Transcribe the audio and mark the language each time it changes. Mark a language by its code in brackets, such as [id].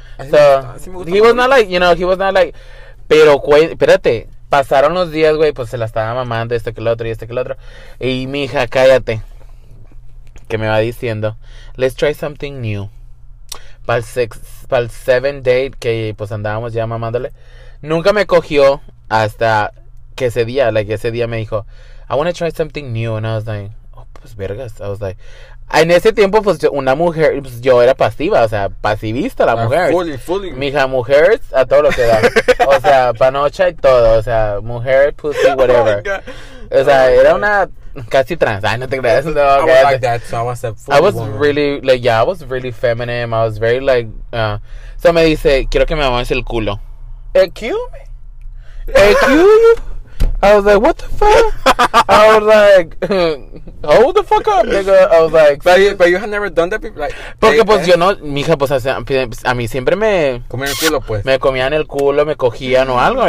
[en] So, he was not like, you know, he was not like... [es] Pero, espérate, pasaron los días, güey, pues se la estaba mamando, esto que el otro, y esto que el otro. Y, mija, cállate. Que me va diciendo, [en] let's try something new. [es] Para el 7 date que pues andábamos ya mamándole. Nunca me cogió hasta que ese día, like ese día me dijo, [en] I want to try something new. And I was like, oh, [es] pues vergas. [en] I was like, [es] en ese tiempo, pues una mujer, pues, yo era pasiva, o sea, pasivista la mujer. [en] Fully. [es] Mija, mujer a todo lo que da. O sea, panocha y todo. O sea, mujer, [en] pussy, whatever. [es] Oh, o sea, oh, era una. Casi trans. Ay, no te creas. No, [en] I was like that. So I was a full I was woman. Really like, yeah, I was really feminine. I was very like so me dice, [es] quiero que me mames el culo. [en] Excuse me? Excuse me? I was like, what the fuck? I was like, hold the fuck up, nigga. I was like, But you had never done that before? Like, [es] porque pues yo no, mija, pues a mí siempre me comían el culo, pues. Me comían el culo, me cogían o algo.